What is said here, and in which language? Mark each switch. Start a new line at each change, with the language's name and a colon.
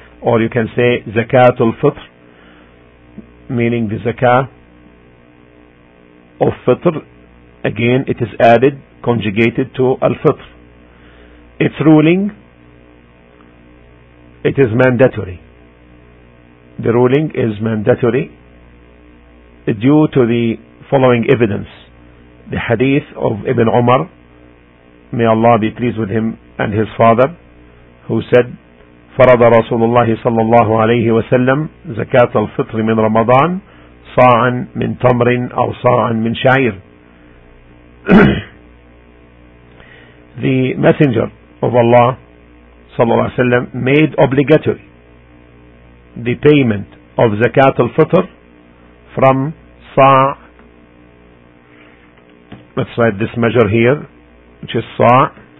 English: Or you can say Zakatul Fitr, meaning the zakah of Fitr. Again, it is added, conjugated to Al-Fitr. Its ruling, it is mandatory. The ruling is mandatory due to the following evidence. The hadith of Ibn Umar, may Allah be pleased with him and his father, who said,
Arabic: فرض رسول الله صلى الله عليه وسلم زكاة الفطر من رمضان صاعا من تمر أو صاعا من شعير.
English: The messenger of Allah
Arabic: صلى الله عليه وسلم
English: made obligatory the payment of zakat al-fitr from صاع. Let's write this measure here, which is صاع.